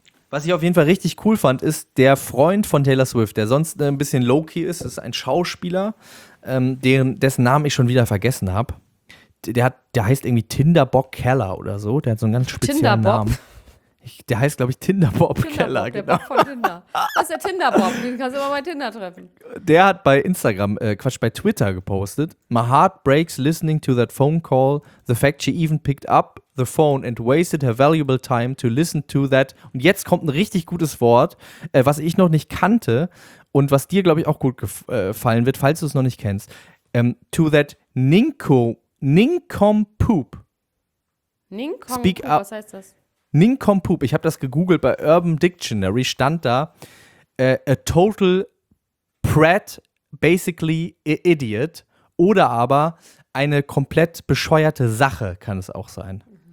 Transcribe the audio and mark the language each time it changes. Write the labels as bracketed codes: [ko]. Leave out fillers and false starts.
[de] Was ich auf jeden Fall richtig cool fand, ist der Freund von Taylor Swift, der sonst ein bisschen low-key ist, ist ein Schauspieler, dessen Namen ich schon wieder vergessen habe. Der heißt irgendwie Tinderbock Keller oder so. Der hat so einen ganz speziellen Namen. Der heißt, glaube ich, Tinderbob Keller. Der genau. Bob von Tinder. Das ist der Tinderbob, den kannst du immer bei Tinder treffen. Der hat bei Instagram, bei Twitter gepostet. [en] My heart breaks listening to that phone call. The fact she even picked up the phone and wasted her valuable time to listen to that. [de] Und jetzt kommt ein richtig gutes Wort, was ich noch nicht kannte und was dir, glaube ich, auch gut gefallen wird, falls du es noch nicht kennst. [en] To that nincompoop. Nincompoop, speak up. [de] Was heißt das? Nincompoop, ich habe das gegoogelt bei Urban Dictionary, stand da [en] a total prat, basically idiot, [de] oder aber eine komplett bescheuerte Sache kann es auch sein.